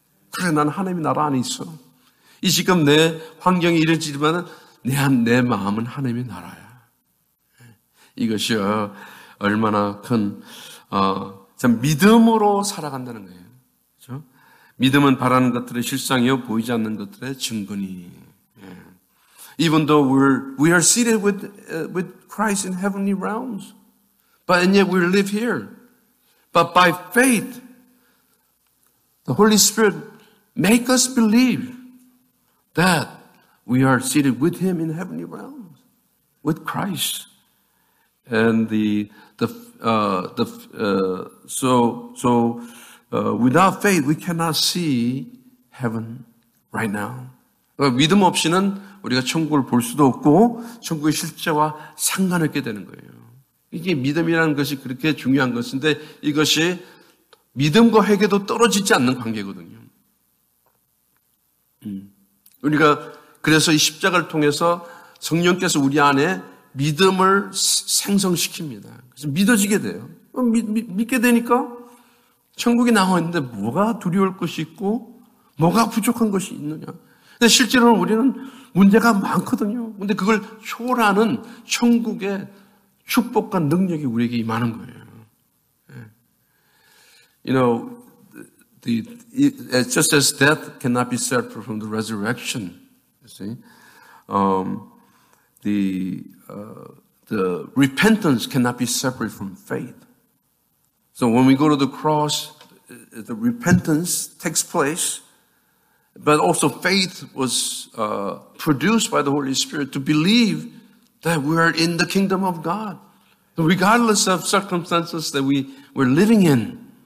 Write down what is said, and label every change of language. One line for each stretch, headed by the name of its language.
Korean: 그래, 난 하나님의 나라 안에 있어. 이 지금 내 환경이 이랬지만 내 마음은 하나님의 나라야. 이것이 얼마나 큰 참 믿음으로 살아간다는 거예요. 그렇죠? 믿음은 바라는 것들의 실상이요 보이지 않는 것들의 증거니.
English: Even though we are seated with Christ in heavenly realms. But and yet we live here. But by faith, the Holy Spirit make us believe that we are seated with Him in heavenly realms, with Christ. And without faith, we cannot see heaven right now.
Korean: 믿음 없이는 우리가 천국을 볼 수도 없고 천국의 실제와 상관없게 되는 거예요. 이게 믿음이라는 것이 그렇게 중요한 것인데 이것이 믿음과 회개도 떨어지지 않는 관계거든요. 우리가 그래서 이 십자가를 통해서 성령께서 우리 안에 믿음을 생성시킵니다. 그래서 믿어지게 돼요. 믿게 되니까 천국이 나와 있는데 뭐가 두려울 것이 있고 뭐가 부족한 것이 있느냐. 근데 실제로는 우리는 문제가 많거든요. 근데 그걸 초월하는 천국의 축복과 능력이 우리에게 임하는 거예요.
English: You know, just as death cannot be separate from the resurrection, you see, the repentance cannot be separate from faith. So when we go to the cross, the repentance takes place, but also faith was produced by the Holy Spirit to believe that we are in the kingdom of God, regardless of circumstances that we were living in.